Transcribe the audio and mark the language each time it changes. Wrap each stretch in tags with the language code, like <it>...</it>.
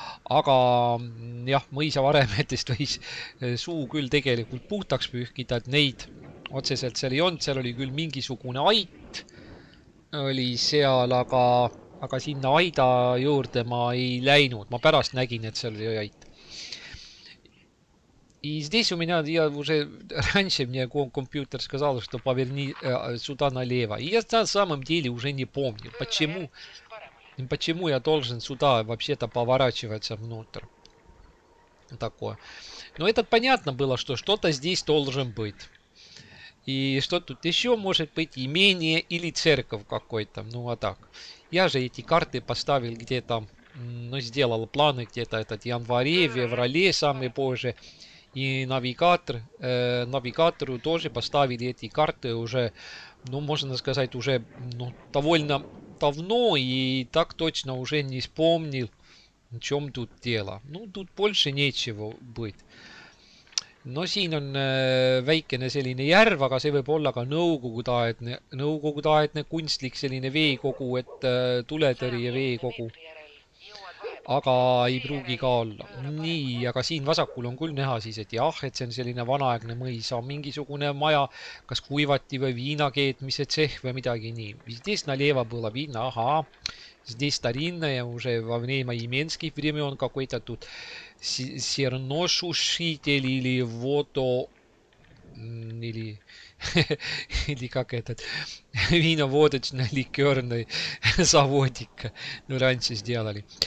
<et>Aga jah, mõisavaremedest võis suu küll tegelikult puhtaks pühkida, et neid otseselt seal ei olnud, seal oli küll mingisugune ait oli seal, aga sinna aida juurde ma ei läinud. Ma pärast nägin, et seal oli ait.</et> <ru>И здесь у меня, я уже раньше мне компьютер сказал, что поверни сюда налево. И я на самом деле уже не помню, почему я должен сюда вообще-то поворачиваться внутрь. Такое. Но это понятно было, что что-то здесь должен быть. И что тут еще может быть, имение или церковь какой-то. Ну а так. Я же эти карты поставил где-то, ну сделал планы где-то этот январе, феврале, самый позже. И навигатору тоже поставили эти карты уже, ну, можно сказать, уже ну, довольно давно, и так точно уже не вспомнил, в чем тут дело. Ну, тут больше нечего быть.</ru> <et>Но siin on väikene selline järv, aga see võib olla ka nõukogudaaedne kunstlik selline veekogu, et tuletõri ja veekogu. Aga ei pruugi ka olla. Nii, aga siin vasakul on küll näha siis, et jah, et see on selline vanaaegne mõis, on mingisugune maja, kas kuivati või viinakeetmise tseh või midagi nii.</et> <ru>Здесь налево было видно, ага, здесь старинное, ja уже во время именских времен какой-то тут серношушитель или вото, или как этот, виноводочный ликерный заводик, ну, раньше сделали.</ru>